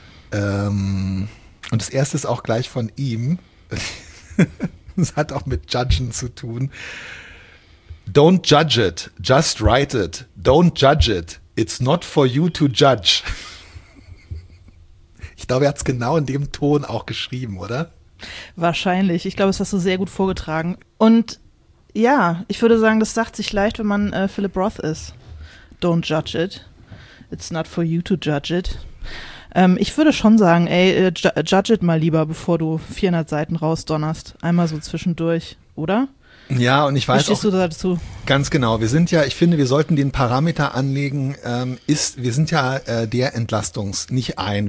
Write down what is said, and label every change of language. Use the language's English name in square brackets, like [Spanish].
[German] Und das Erste ist auch gleich von ihm. Das hat auch mit Judgen zu tun. [English] Don't judge it, just write it. Don't judge it, it's not for you to judge. [German] Ich glaube, er hat es genau in dem Ton auch geschrieben, oder? Wahrscheinlich. Ich glaube, es hast du sehr gut vorgetragen. Und ja, ich würde sagen, das sagt sich leicht, wenn man Philip Roth ist. [English] Don't judge it. It's not for you to judge it. [German] Ich würde schon sagen, ey, judge it mal lieber, bevor du 400 Seiten rausdonnerst. Einmal so zwischendurch, oder? Ja, und ich weiß auch. Verstehst du dazu? Ganz genau. Wir sind ja, ich finde, wir sollten den Parameter anlegen, wir sind ja der Entlastungs-, nicht ein.